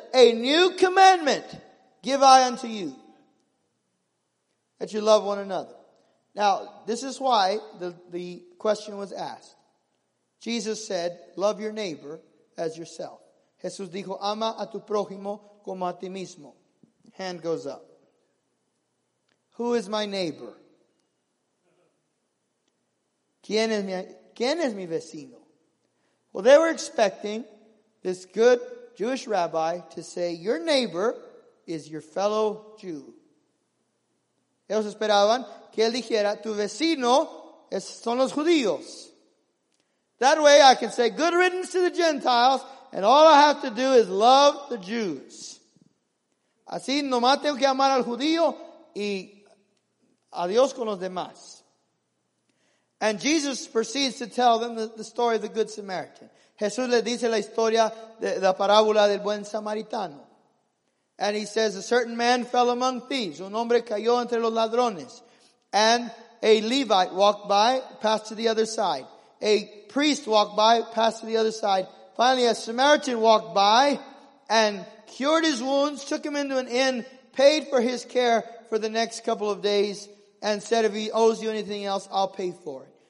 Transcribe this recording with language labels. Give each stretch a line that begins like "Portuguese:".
English: A new commandment give I unto you, that you love one another. Now, this is why the question was asked. Jesus said, love your neighbor as yourself.
Spanish: Jesús dijo, ama a tu prójimo como a ti mismo.
English: Hand goes up. Who is my neighbor?
Spanish: ¿Quién es mi vecino?
English: Well, they were expecting this good Jewish rabbi to say, your neighbor is your fellow Jew.
Spanish: Ellos esperaban que él dijera, tu vecino son los judíos.
English: That way I can say, good riddance to the Gentiles, and all I have to do is love the Jews.
Spanish: Así nomás tengo que amar al judío y a Dios con los demás.
English: And Jesus proceeds to tell them the story of the Good Samaritan.
Spanish: Jesús le dice la historia de la parábola del buen samaritano.
English: And he says, a certain man fell among thieves.
Spanish: Un hombre cayó entre los ladrones.
English: And a Levite walked by, passed to the other side. A priest walked by, passed to the other side. Finally, a Samaritan walked by and cured his wounds, took him into an inn, paid for his care for the next couple of days, and said, if he owes you anything else, I'll pay for it.